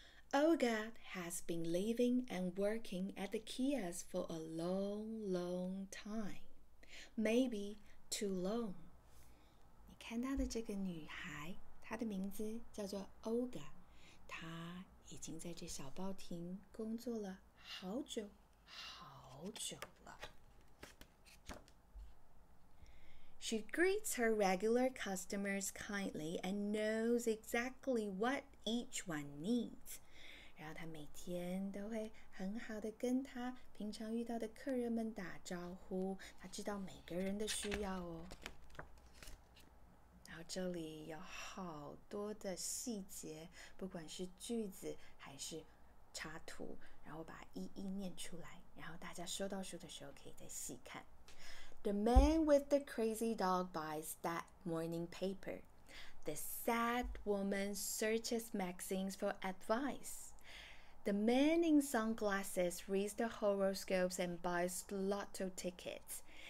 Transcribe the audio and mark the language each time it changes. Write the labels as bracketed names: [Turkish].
[English] Olga has been living and working at the kiosk for a long, long time. Maybe too long. [Chinese] 你看到的这个女孩，她的名字叫做 Olga， 她已经在这小报亭工作了好久好久了。 [English] She greets her regular customers kindly and knows exactly what each one needs. [Chinese] 然后她每天都会很好的跟她平常遇到的客人们打招呼，她知道每个人的需要哦。然后这里有好多的细节，不管是句子还是插图，然后把一一念出来，然后大家收到书的时候可以再细看。 [English] The man with the crazy dog buys that morning paper. The sad woman searches magazines for advice. The man in sunglasses reads the horoscopes and buys lotto tickets.